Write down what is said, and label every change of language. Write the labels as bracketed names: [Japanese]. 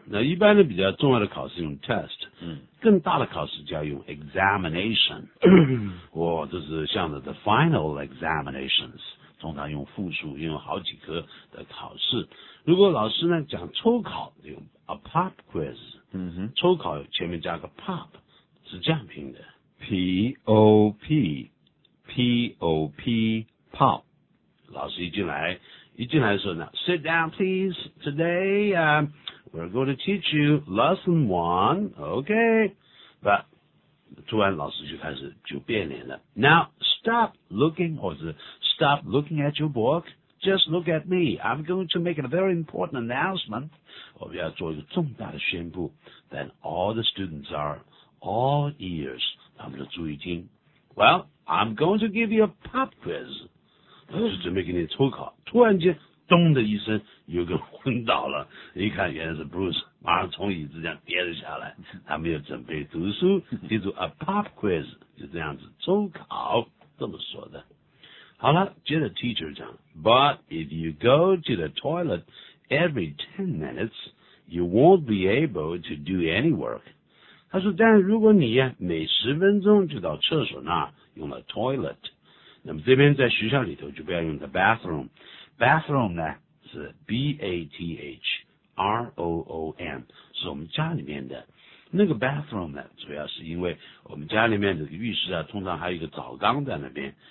[Chinese] 那一般的比较重要的考试用 test、嗯、更大的考试就要用 examination 哇，这是像 the final examinations， 通常用复数，用好几科的考试。如果老师呢讲抽考用 a pop quiz，抽考前面加个 pop 是这样拼的 P-O-P P-O-P pop。老师一进来的时候呢 [English] Sit down please Today、we're going to teach you lesson one OK But [Chinese] 突然老师就开始就变脸了 [English] Now stop looking [Chinese] 或者 [English] stop looking at your book Just look at me I'm going to make a very important announcement [Chinese] 我们要做一个重大的宣布 [English] Then all the students are all ears [Chinese] 他们都注意听 [English] Well, I'm going to give you a pop quiz [Chinese] 我是准备给你抽考突然间咚的一声有个昏倒了一看原来是 Bruce 马上从椅子这样跌了下来他们要准备读书记住 a pop quiz 就这样子抽考这么说的好了接着 teacher 讲 [English] But if you go to the toiletEvery 10 minutes, you won't be able to do any work. [Chinese] 他说但如果你每十分钟就到厕所那用了 toilet, 那么这边在学校里头就不要用 the bathroom. Bathroom 呢是 B-A-T-H-R-O-O-M, 是我们家里面的。那个 bathroom 呢主要是因为我们家里面的浴室啊通常还有一个澡缸在那边。